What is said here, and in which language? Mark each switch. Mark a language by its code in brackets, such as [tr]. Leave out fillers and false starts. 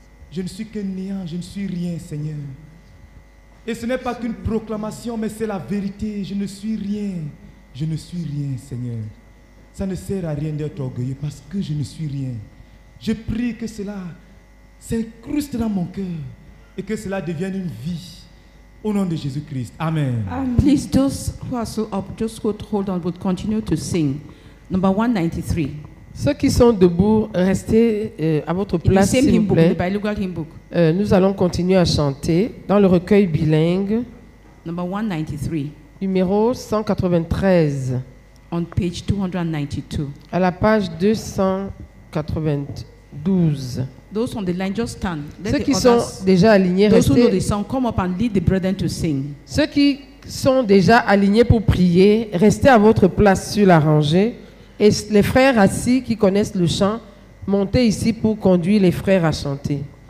[fr] Je ne suis que néant, je ne suis rien, Seigneur. Et ce n'est pas qu'une proclamation, mais c'est la vérité. Je ne suis rien, je ne suis rien, Seigneur. Ça ne sert à rien d'être orgueilleux parce que je ne suis rien. Je prie que cela s'incruste dans mon cœur et que cela devienne une vie. Au nom de Jésus-Christ. Amen. Amen. [en] Please, those who are so up, just go to hold on, but continue to sing. Number 193. [fr] Ceux qui sont debout, restez à votre place, s'il vous plaît. Nous allons continuer à chanter dans le recueil bilingue. [en] Number 193. [fr] Numéro 193. [en] On page 292. [fr] À la page 292. [en] Those on the line, just stand. [fr] Ceux qui sont déjà alignés, restez. Those who know the song, come up and lead the brethren to sing. Ceux qui sont déjà alignés pour prier, restez à votre place sur la rangée. Et les frères assis qui connaissent le chant, montez ici pour conduire les frères à chanter.